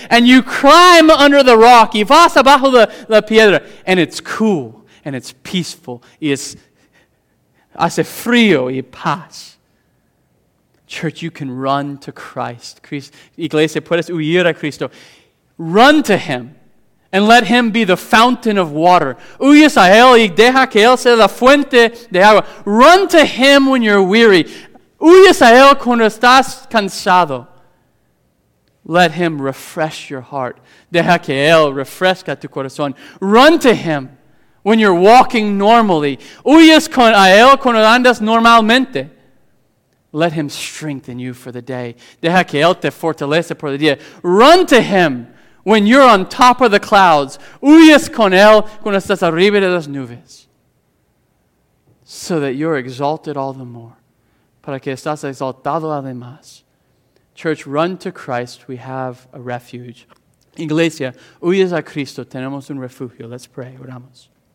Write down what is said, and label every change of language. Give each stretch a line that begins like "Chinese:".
English: And you climb under the rock.
Spanish: Y vas abajo de la piedra.
English: And it's cool. And it's peaceful.
Spanish: Y es, hace frío y paz.
English: Church, you can run to Christ.
Spanish: Iglesia, puedes huir a Cristo.
English: Run to Him. And let Him be the fountain of water.
Spanish: Huyes a Él y deja que Él sea la fuente de agua.
English: Run to Him when you're weary.
Spanish: Huyes a Él cuando estás cansado.
English: Let Him refresh your heart.
Spanish: Deja que Él refresca tu corazón.
English: Run to Him when you're walking normally.
Spanish: Huyes a Él cuando andas normalmente.
English: Let Him strengthen you for the day.
Spanish: Deja que Él te fortalece por el día.
English: Run to Him when you're on top of the clouds.
Spanish: Huyes con Él cuando estás arriba de las nubes.
English: So that you're exalted all the more.
Spanish: Para que estás exaltado además.
English: Church, run to Christ. We have a refuge.
Spanish: Iglesia, huyes a Cristo. Tenemos un refugio.
English: Let's pray.
Spanish: Oramos.